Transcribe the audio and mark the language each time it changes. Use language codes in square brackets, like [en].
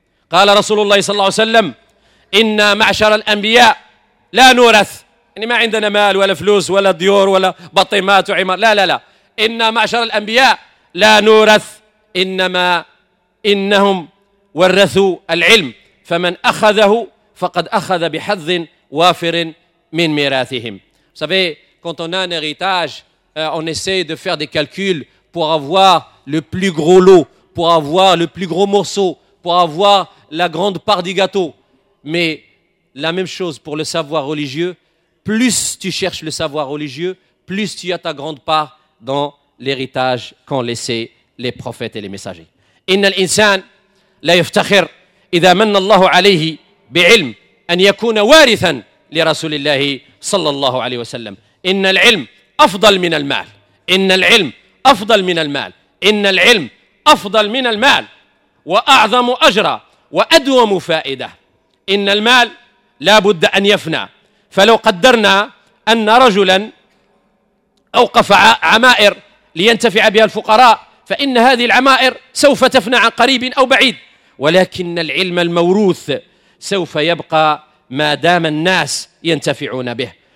[ar] قال رسول الله صلى الله عليه وسلم: إن معشر الأنبياء لا نورث، يعني ما عندنا مال ولا فلوس ولا ديور ولا بطيمات وعمار، لا لا لا، إن معشر الأنبياء لا نورث، إنما إنهم ورثوا العلم، فمن أخذه فقد أخذ بحظ وافر من ميراثهم. [fr] Vous savez, quand on a un héritage, on essaie de faire des calculs pour avoir le plus gros lot, pour avoir le plus gros morceau, pour avoir la grande part du gâteau. Mais la même chose pour le savoir religieux. Plus tu cherches le savoir religieux, plus tu as ta grande part dans l'héritage qu'ont laissé les prophètes et les messagers. [ar] Inna al-insan la yaftakhir idha manna Allah alayhi bi'ilm an yakuna warithan li rasulillah صلى الله عليه وسلم. إن العلم أفضل من المال، إن العلم أفضل من المال، إن العلم أفضل من المال وأعظم أجرا وأدوم فائدة. إن المال لا بد أن يفنى، فلو قدرنا أن رجلا أوقف عمائر لينتفع بها الفقراء، فإن هذه العمائر سوف تفنى عن قريب أو بعيد، ولكن العلم الموروث سوف يبقى ما دام الناس ينتفعون به.